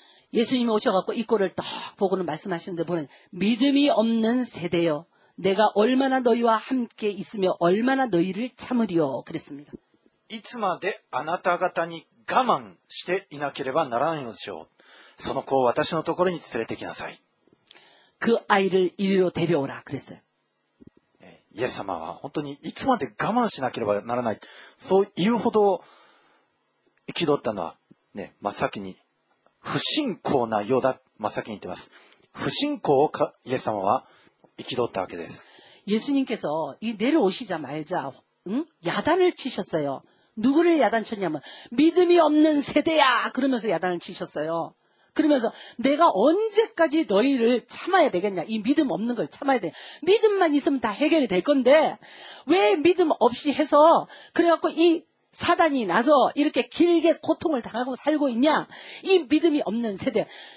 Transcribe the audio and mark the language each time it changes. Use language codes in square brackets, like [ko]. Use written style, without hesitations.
[ko] イエス님이오셔갖고이꼴을딱보고는말씀하시는데보는믿음이없는세대よ。 내가얼마나너희와함께있으며얼마나너희를참으리요。 그랬습니다。 [ja] いつまであなた方に我慢していなければならないのでしょう。その子を私のところに連れてきなさい。 [ko] 그아이를이리로데려오라그랬어요 [ja] イエス様は本当にいつまで我慢しなければならないそう言うほど憤ったのはね、真っ先に不信仰な世だ、真っ先に言ってます。不信仰をイエス様は憤ったわけです。 [ko] イエス님께서이내려오시자말자응야단을치셨어요누구를야단쳤냐면믿음이없는세대야그러면서야단을치셨어요그러면서내가언제까지너희를참아야되겠냐이믿음없는걸참아야돼믿음만있으면다해결이될건데왜믿음없이해서그래갖고이사단이나서이렇게길게고통을당하고살고있냐이믿음이없는세대